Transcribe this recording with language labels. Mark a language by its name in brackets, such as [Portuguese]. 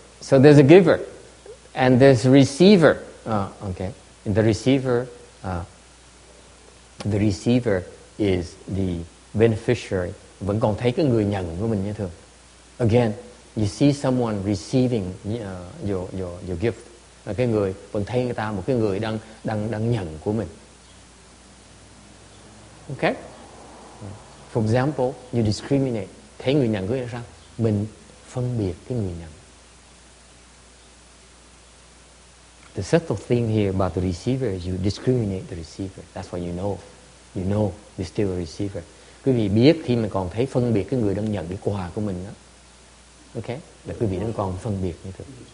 [English] So there's a giver and there's a receiver. Okay. And the receiver the receiver is the beneficiary. [Vietnamese] Vẫn còn thấy cái người nhận của mình như thường. [English] Again, you see someone receiving your gift. [Vietnamese] Cái người vẫn thấy người ta một cái người đang nhận của mình. Okay. [English] For example, you discriminate. [Vietnamese] Thấy người nhận của mình sao? Mình phân biệt cái người nhận. [English] The subtle thing here about the receiver is you discriminate the receiver. That's what you know. You know, you're still a receiver. [Vietnamese] Quý vị biết khi mà còn thấy phân biệt cái người đang nhận cái quà của mình đó. Okay? Là quý vị đang còn phân biệt như thế.